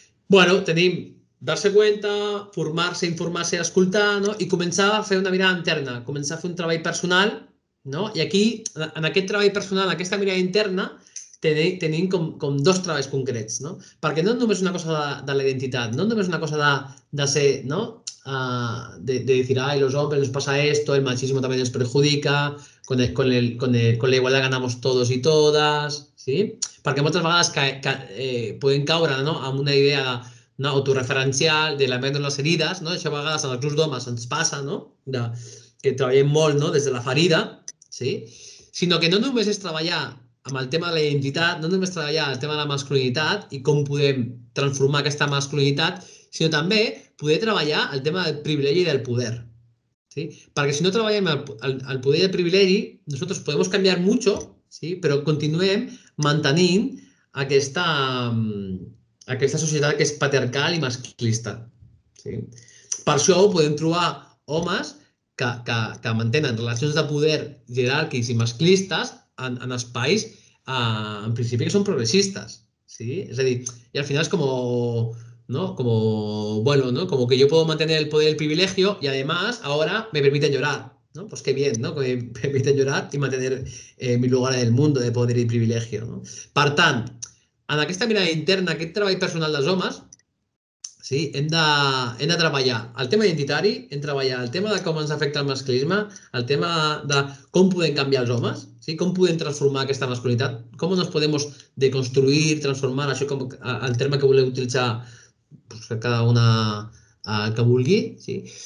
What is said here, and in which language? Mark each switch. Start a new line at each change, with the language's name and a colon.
Catalan: Bueno, tenim dar-se cuenta, formar-se, informar-se, escoltar, no? I començar a fer una mirada interna, començar a fer un treball personal, No? I aquí, en aquest treball personal, en aquesta mirada interna, tenim com dos treballs concrets, no? Perquè no només una cosa de la identitat, no només una cosa de ser, no?
Spanish: De decir, ay, los hombres nos pasa esto, el machismo también nos perjudica, con la igualdad ganamos todos y todas, ¿sí?
Catalan: Perquè moltes vegades podem caure, no?, amb una idea de, no?, autorreferencial, de lamentar les ferides, no? Això a vegades en els clubs d'homes ens passa, no?, que treballem molt, no?, des de la ferida, sí? Sinó que no només és treballar amb el tema de la identitat, no només treballar el tema de la masculinitat i com podem transformar aquesta masculinitat, sinó també poder treballar el tema del privilegi i del poder. Sí? Perquè si no treballem el poder i el privilegi, nosaltres podem canviar mucho, sí? Però continuem mantenint aquesta societat que és patriarcal i masclista. Sí? Per això podem trobar homes que mantenen relacions de poder jeràrquics i masclistes en espais, en principi, que són progressistes, sí? És a dir, i al final és com, no? Com, bueno, no? Com que jo puc mantenir el poder i el privilegio i,
Spanish: además,
Catalan: ara
Spanish: me permiten llorar,
Catalan: no?
Spanish: Pues qué bien,
Catalan: no? Que
Spanish: me permiten llorar
Catalan: i mantenir
Spanish: mi lugar
Catalan: en el món de poder i privilegio, no? Per tant, en aquesta mirada interna, aquest treball personal dels homes, sí? Hem de treballar el tema identitari, hem de treballar el tema de com ens afecta el masclisme, el tema de com podem canviar els homes, sí? Com podem transformar aquesta masculinitat, com ens podem deconstruir, transformar, això com el terme que voleu utilitzar, pues, cada una el que vulgui, sí?